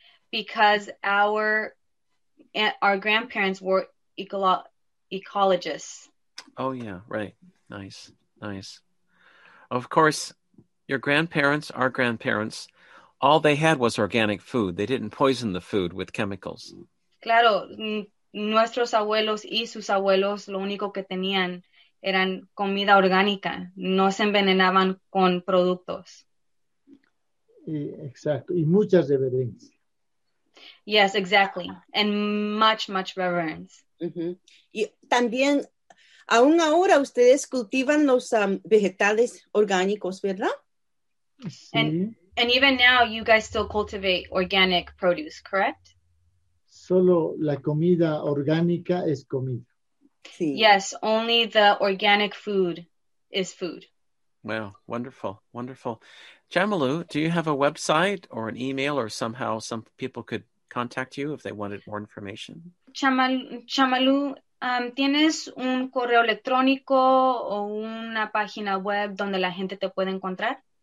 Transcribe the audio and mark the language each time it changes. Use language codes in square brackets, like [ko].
[en] Because our grandparents were ecologists. Oh yeah, right. Nice. Of course, your grandparents, our grandparents, all they had was organic food. They didn't poison the food with chemicals. [es] Claro, nuestros abuelos y sus abuelos lo único que tenían eran comida orgánica. No se envenenaban con productos. Exacto, y mucha reverencia. [en] Yes, exactly. And much reverence. [es] Uh-huh. Y también, aún ahora, ustedes cultivan los vegetales orgánicos, ¿verdad? Sí. [en] And even now, you guys still cultivate organic produce, correct? [es] Solo la comida orgánica es comida. Sí. [en] Yes, only the organic food is food. Wow, wonderful. Shamalu, do you have a website or an email, or somehow some people could contact you if they wanted more information? [es] Shamalu, ¿tienes un correo electrónico o una página web donde la gente te puede encontrar?